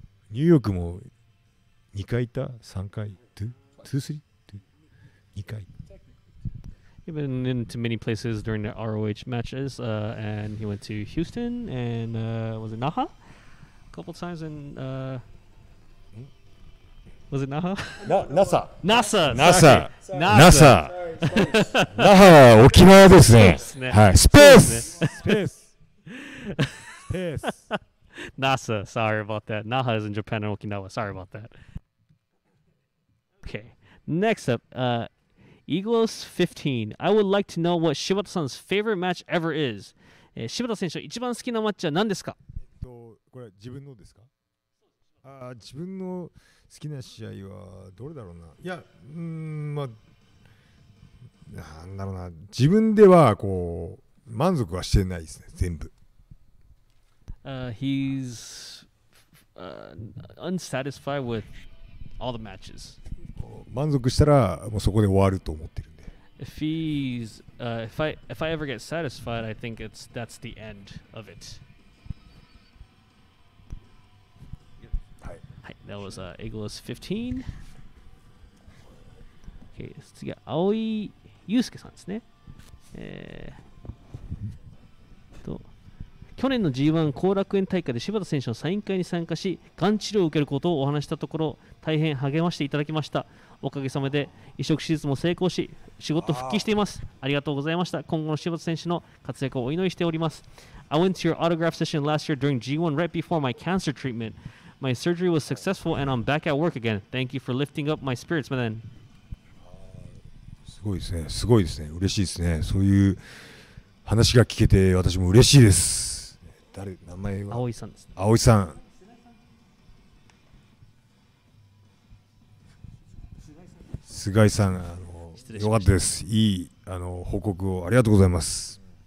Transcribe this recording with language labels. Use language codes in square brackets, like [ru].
[ja] ニューヨークも2回行った ?3 回 ?2?3?2 回。 [en] He's been into many places during the ROH matches, and he went to Houston and was it Naha? A couple times in. Was it Naha? NASA. NASA. NASA. NASA. Naha is Okinawa. Space. Space. Space. NASA. Sorry about that. Naha is in Japan and Okinawa. Sorry about that. Okay. Next up. Eagles 15. I would like to know what Shibata-san's favorite match ever is. [ja] Shibata 選手一番好きなマッチは何ですか？これ自分のですか？自分の好きな試合はどれだろうな。いや、まあ、なんだろうな。自分ではこう満足はしてないですね。全部。 [en] He's unsatisfied with all the matches. [ja] 満足したらもうそこで終わると思ってるんで。 [en] If he's, if I ever get satisfied, I think it's that's the end of it. [ja] はい。 [en] はい。That was Eagles 15. [ja] Okay, 次は青井祐介さんですね。去年の G1 後楽園大会で柴田選手のサイン会に参加し、がん治療を受けることをお話したところ、大変励ましていただきました。おかげさまで移植手術も成功し、仕事復帰しています。ありがとうございました。今後の柴田選手の活躍をお祈りしております。 I went to your autograph session last year during G1 right before my cancer treatment. My surgery was successful and I'm back at work again. Thank you for lifting up my spirits, my man. すごいですね。すごいですね。嬉しいですね。そういう話が聞けて私も嬉しいです。誰、名前は？葵さんです、ね。葵さん。菅井さん、あの、よかったです。いい、あの、報告をありがとうございます。